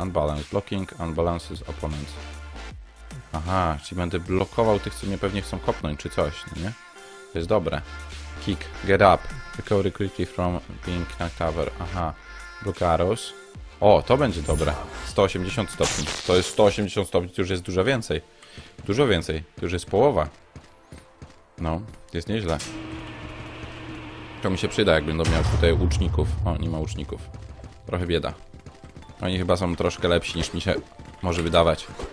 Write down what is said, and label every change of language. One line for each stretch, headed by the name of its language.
English: Unbalanced blocking, unbalances opponent.
Polish: Aha, czyli będę blokował tych, co mnie pewnie chcą kopnąć, czy coś, no nie? To jest dobre.
English: Kick, get up, recovery quickly from being knocked over.
Polish: Aha,
English: block arrows.
Polish: O, to będzie dobre. 180 stopni. To jest 180 stopni, to już jest dużo więcej. Dużo więcej, to już jest połowa. No, jest nieźle. To mi się przyda, jak będą miał tutaj łuczników. O, nie ma łuczników. Trochę bieda. Oni chyba są troszkę lepsi, niż mi się może wydawać.